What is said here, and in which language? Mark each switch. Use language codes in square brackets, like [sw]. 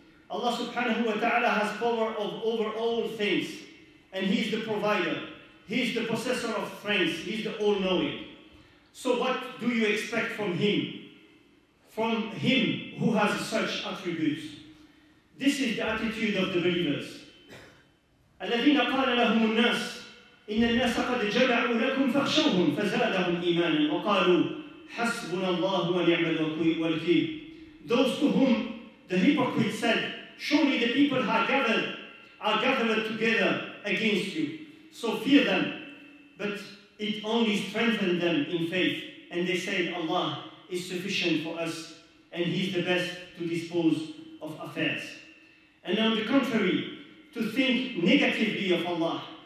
[en] Allah subhanahu wa ta'ala has power over all things, and He is the provider, He is the possessor of things, He is the all-knowing. So what do you expect from Him who has such attributes? This is the attitude of the believers. [ar] الَّذِينَ قَالَ لَهُمُ النَّاسِ إن الناس قد جمعوا لكم فاخشوهم فزادهم إيمانا وقالوا حسبنا الله ونعم الوكيل. [en] Those to whom the hypocrite said, surely the people are gathered together against you, so fear them. But it only strengthened them in faith, and they said, Allah is sufficient for us, and He is the best to dispose of affairs. And on the contrary, to think negatively of Allah